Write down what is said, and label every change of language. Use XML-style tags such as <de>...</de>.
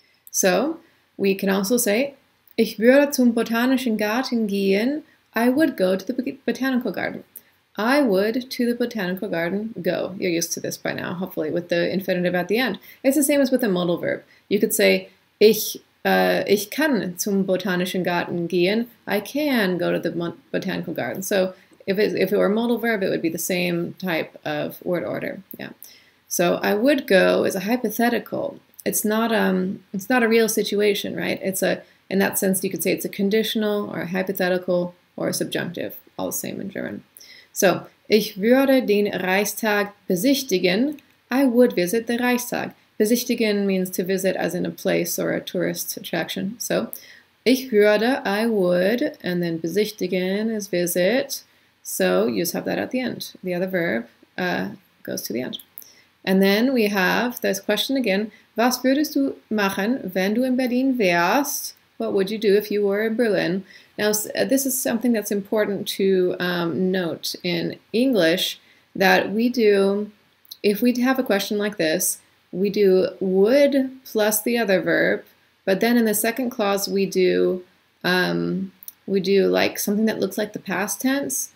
<en>So we can also say,</en> <de>ich würde zum Botanischen Garten gehen.</de> <en>I would go to the Botanical Garden. I would to the Botanical Garden go. You're used to this by now, hopefully, with the infinitive at the end. It's the same as with a modal verb. You could say,</en> <de>ich kann zum Botanischen Garten gehen.</de> <en>I can go to the Botanical Garden. So if it were a modal verb, it would be the same type of word order. Yeah. So I would go is a hypothetical. It's not a real situation, right? In that sense, you could say it's a conditional or a hypothetical or a subjunctive, all the same in German.</en> <de>So, ich würde den Reichstag besichtigen.</de> <en>I would visit the Reichstag. Besichtigen means to visit, as in a place or a tourist attraction. So,</en> <de>ich würde,</de> <en>I would, and then besichtigen is visit. So, you just have that at the end. The other verb goes to the end. And then we have this question again.</en> <de>Was würdest du machen, wenn du in Berlin wärst?</de> <en>What would you do if you were in Berlin? Now, this is something that's important to note in English, that we do, if we have a question like this, we do would plus the other verb, but then in the second clause, we do like something that looks like the past tense.</en>